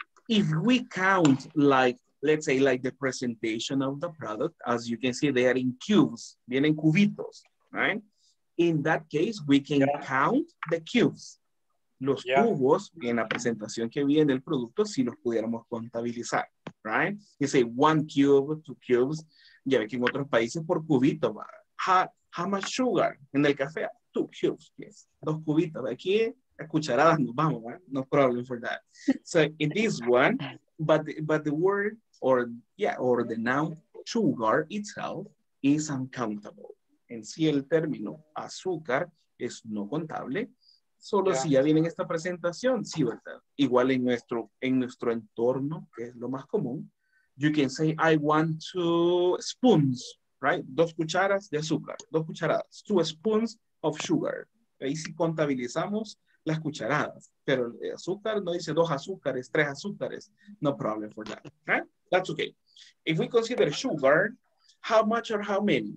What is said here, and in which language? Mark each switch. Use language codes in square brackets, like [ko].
[en] If we count, like, let's say, like the presentation of the product, as you can see, they are in cubes, [es] vienen cubitos, [en] right? In that case, we can count the cubes. [es] Los cubos en la presentación que viene el producto, si los pudiéramos contabilizar, right? [en] You say one cube, two cubes, [es] ya ve que en otros países por cubito, [en] how much sugar [es] en el café? [en] Two cubes, yes, [es] dos cubitos. Aquí, a cucharadas, nos vamos, [en] right? No problem for that. So in this one, but the word or the noun sugar itself is uncountable. [es] En sí, el término azúcar es no contable. Solo si ya viene en esta presentación, sí, ¿verdad? Igual en nuestro entorno, que es lo más común, [en] you can say, I want two spoons, right? [es] Dos cucharas de azúcar, dos cucharadas, [en] two spoons of sugar. [es] Ahí sí contabilizamos las cucharadas, pero el azúcar no dice dos azúcares, tres azúcares. [en] No problem for that, right? That's okay. If we consider sugar, how much or how many?